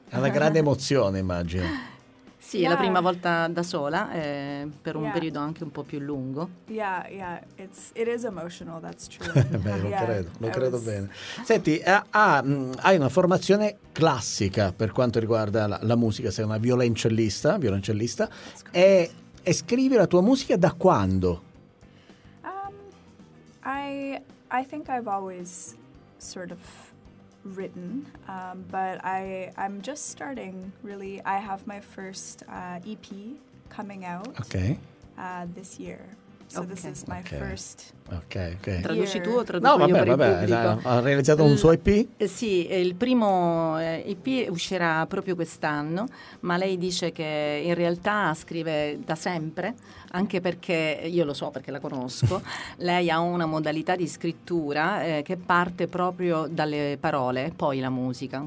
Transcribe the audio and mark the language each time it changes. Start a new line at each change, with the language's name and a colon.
Italian: È una grande emozione, immagino. Sì, è la prima volta da sola, per un periodo anche un po' più lungo.
English: It is emotional, that's true.
Italian: Beh, lo credo bene. Senti, hai una formazione classica per quanto riguarda la musica, sei una violoncellista, e scrivi la tua musica da quando?
English: I think I've always sort of written, but I'm just starting, really. I have my first EP coming out this year, so this is my first.
Italian: Traduci
English: year.
Italian: Tu o traduco no, vabbè, io per vabbè, il pubblico? Ha realizzato un suo EP? Sì, il primo EP uscirà proprio quest'anno, ma lei dice che in realtà scrive da sempre, anche perché, io lo so perché la conosco, lei ha una modalità di scrittura che parte proprio dalle parole, poi la musica.